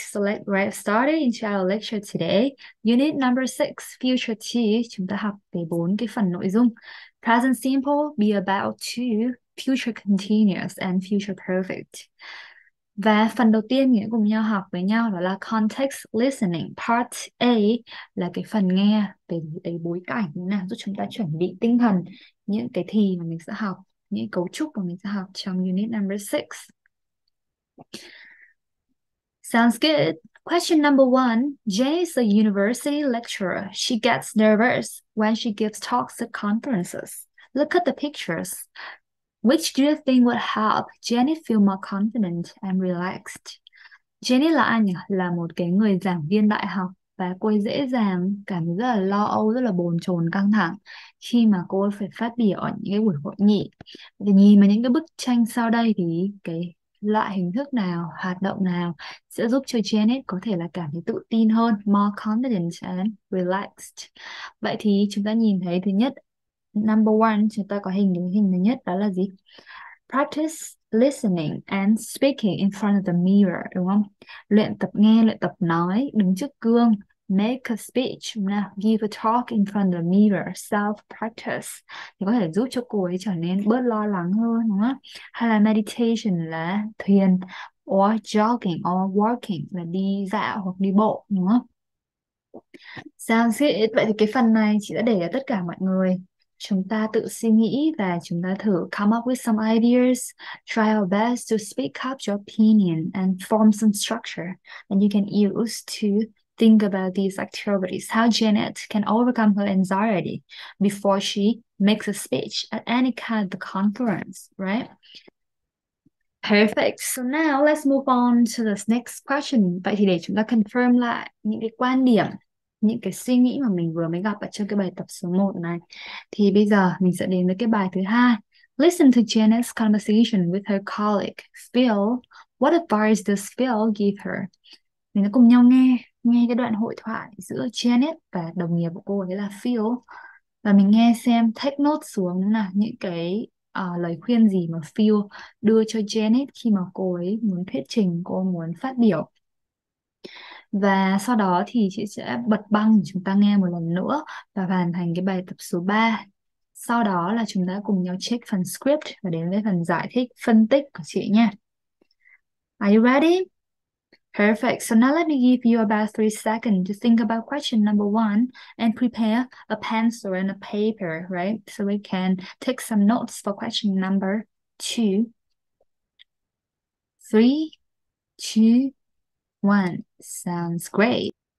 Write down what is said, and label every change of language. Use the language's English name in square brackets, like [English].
[English] So let's get started into our lecture today. Unit number 6, Future 2. [Vietnamese] Chúng ta học về bốn cái phần nội dung. [English] Present simple, be about to, future continuous and future perfect. [Vietnamese] Và phần đầu tiên mình sẽ cùng nhau học với nhau đó là [English] context listening part A, [Vietnamese] là cái phần nghe về cái bối cảnh như nào giúp chúng ta chuẩn bị tinh thần những cái thì mà mình sẽ học, những cấu trúc mà mình sẽ học trong unit number 6. [English] Sounds good. Question number one. Jay is a university lecturer. She gets nervous when she gives talks at conferences. Look at the pictures. Which do you think would help Jenny feel more confident and relaxed? [Vietnamese] Jenny là ai nhỉ? Là một cái người giảng viên đại học, và cô ấy dễ dàng cảm thấy rất là lo âu, rất là bồn chồn, căng thẳng khi mà cô ấy phải phát biểu ở những cái buổi hội nghị. Và nhìn vào những cái bức tranh sau đây thì cái loại hình thức nào, hoạt động nào sẽ giúp cho Janet có thể là cảm thấy tự tin hơn, [English] more confident and relaxed. [Vietnamese] Vậy thì chúng ta nhìn thấy thứ nhất, [English] number one, [Vietnamese] chúng ta có hình đến hình thứ nhất đó là gì? [English] Practice listening and speaking in front of the mirror, [Vietnamese] đúng không? Luyện tập nghe, luyện tập nói, đứng trước gương, [English] make a speech, now give a talk in front of the mirror, self practice [Vietnamese] thì có thể giúp cho cô ấy trở nên bớt lo lắng hơn, đúng không? Hay là meditation là thiền, [English] or jogging or walking [Vietnamese] là đi dạo hoặc đi bộ, đúng không? [English] Sounds good. [Vietnamese] Vậy thì cái phần này chị đã để cho tất cả mọi người. Chúng ta tự suy nghĩ và chúng ta thử [English] come up with some ideas, try our best to speak up your opinion and form some structure that you can use to think about these activities, how Janet can overcome her anxiety before she makes a speech at any kind of the conference, right? Perfect. So now let's move on to this next question. [Vietnamese] Vậy thì để chúng ta confirm lại những cái quan điểm, những cái suy nghĩ mà mình vừa mới gặp ở trong cái bài tập số 1 này, thì bây giờ mình sẽ đến với cái bài thứ hai. [English] Listen to Janet's conversation with her colleague, Phil. What advice does Phil give her? [Vietnamese] Mình sẽ cùng nhau nghe nghe cái đoạn hội thoại giữa Janet và đồng nghiệp của cô ấy là Phil, và mình nghe xem, [English] take note [Vietnamese] xuống là những cái lời khuyên gì mà Phil đưa cho Janet khi mà cô ấy muốn thuyết trình, cô muốn phát biểu. Và sau đó thì chị sẽ bật băng chúng ta nghe một lần nữa và hoàn thành cái bài tập số 3. Sau đó là chúng ta cùng nhau check phần script và đến với phần giải thích, phân tích của chị nha. [English] Are you ready? Perfect. So now let me give you about 3 seconds to think about question number one and prepare a pencil and a paper, right? So we can take some notes for question number two. Three, Two, one. Sounds great.